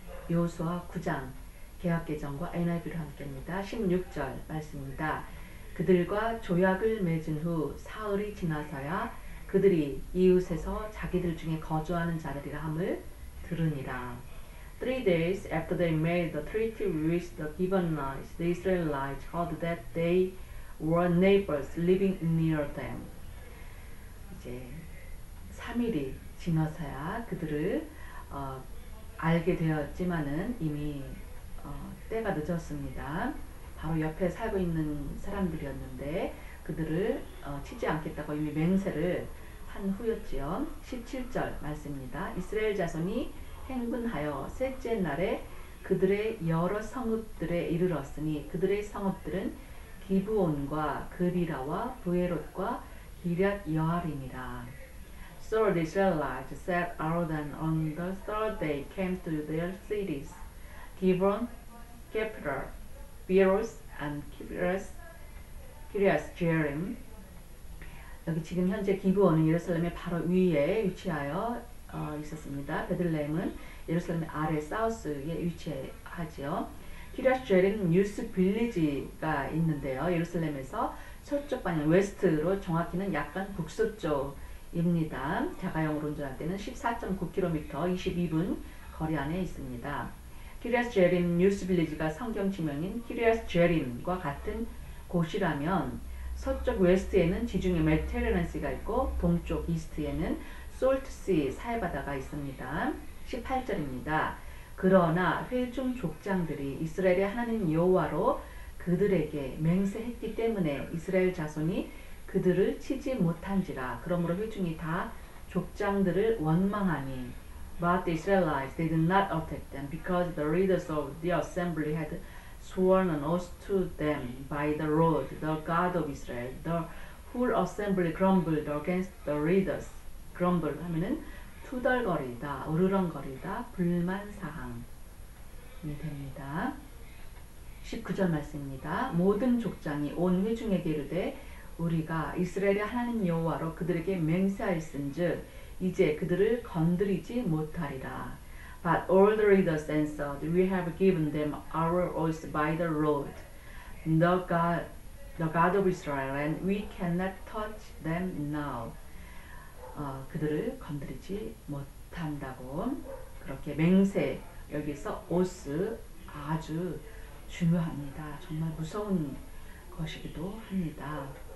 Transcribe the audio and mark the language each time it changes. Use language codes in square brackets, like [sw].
[ko] 요수아 9장 계약계정과 NIV를 함께합니다. 16절 말씀입니다. 그들과 조약을 맺은 후 사흘이 지나서야 그들이 이웃에서 자기들 중에 거주하는 자들이라 함을 들으니라. [en] Three days after they made the treaty with the Gibeonites, the Israelites heard that they were neighbors living near them. [ko] 이제 3일이 지나서야 그들을 알게 되었지만은 이미 때가 늦었습니다. 바로 옆에 살고 있는 사람들이었는데 그들을 치지 않겠다고 이미 맹세를 한 후였지요. 17절 말씀입니다. 이스라엘 자손이 행군하여 셋째 날에 그들의 여러 성읍들에 이르렀으니 그들의 성읍들은 기브온과 그리라와 부에롯과 기랴앗 여아림이라. [en] So the Israelites set out and on the third day came to their cities, Gibeon, Kephira, Beerus, and Kiriath Jearim. [ko] 여기 지금 현재 기브온은 예루살렘의 바로 위에 위치하여 있었습니다. 베들레헴은 예루살렘의 아래 사우스에 위치하지요. 키리아스 제림 뉴스 빌리지가 있는데요. 예루살렘에서 서쪽 방향, 웨스트로 정확히는 약간 북서쪽입니다. 자가용으로 운전할 때는 14.9km 22분 거리 안에 있습니다. 키리아스 제림 뉴스 빌리지가 성경 지명인 키리아스 제림과 같은 곳이라면 서쪽 웨스트에는 지중해 메테르네시가 있고 동쪽 이스트에는 솔트시 사해바다가 있습니다. 18절입니다. 그러나 회중 족장들이 이스라엘의 하나님 여호와로 그들에게 맹세했기 때문에 이스라엘 자손이 그들을 치지 못한지라. 그러므로 회중이 다 족장들을 원망하니. [en] But the Israelites did not attack them because the leaders of the assembly had sworn an oath to them by the Lord, the God of Israel. The whole assembly grumbled against the leaders. [ko] Grumble 하면은 투덜거리다, 으르렁거리다, 불만사항이 됩니다. 19절 말씀입니다. 모든 족장이 온 회중에게 이르되 우리가 이스라엘의 하나님 여호와로 그들에게 맹세하였은즉 이제 그들을 건드리지 못하리라. [en] But all the leaders answered, We have given them our oath by the Lord, the God of Israel, and we cannot touch them now. [ko] 그들을 건드리지 못한다고 그렇게 맹세, 여기서 오스 아주 중요합니다. 정말 무서운 것이기도 합니다.